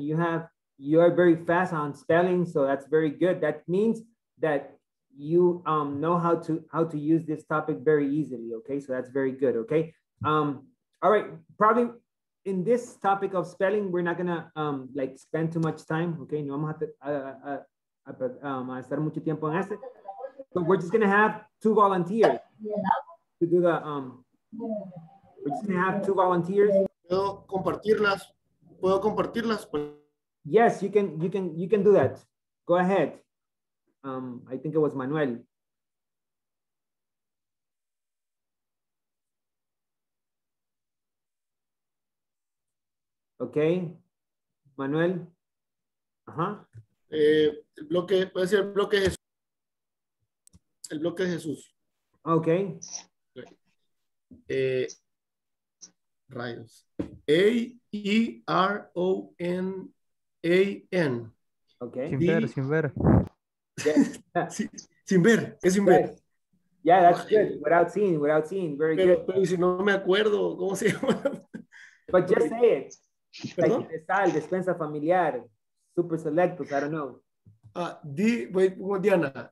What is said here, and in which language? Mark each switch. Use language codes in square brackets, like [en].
[en] You are very fast on spelling, so that's very good. That means that you know how to use this topic very easily, okay? So that's very good, okay? All right, probably in this topic of spelling, we're not gonna like spend too much time, okay? [es] No vamos a estar mucho tiempo en este. [en] But we're just gonna have two volunteers to do the, we're just gonna have two volunteers. [es] ¿Puedo compartirlas? [en] Yes, you can do that. Go ahead. I think it was Manuel. Okay, Manuel. [es] El bloque de Jesús. [en] Okay. [es] Rayos. A E R O N A N. [en] Okay. [es] Sin ver. [en] Yes. [es] sin ver. [en] Yeah, that's good. Without seeing. Very [es] pero, [en] good. [es] Pero si no me acuerdo, ¿cómo se llama? [en] But just say it. Like sal, despensa familiar, super selectos, I don't know.